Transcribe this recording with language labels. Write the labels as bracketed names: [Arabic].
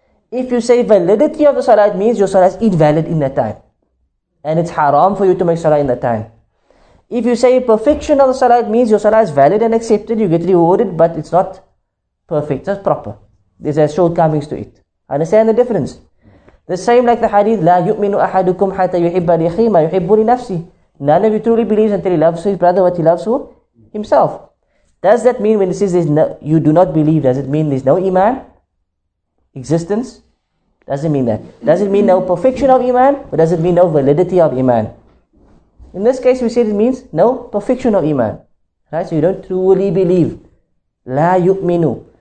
[English] If you say validity of the salah, it means your salah is invalid in that time. And it's haram for you to make salah in that time. If you say perfection of the salah, it means your salah is valid and accepted, you get rewarded, but it's not perfect, just proper. There's shortcomings to it. Understand the difference? The same like the hadith, [Arabic] لا يؤمن أحدكم حتى يحب لأخي ما يحب لنفسه. [English] None of you truly believes until he loves his brother what he loves for himself. Does that mean when it says you do not believe, does it mean there's no iman existence? Doesn't mean that. Does it mean no perfection of iman, or does it mean no validity of iman? In this case, we said it means no perfection of iman. Right? So you don't truly believe. [Arabic] لا يؤمنوا.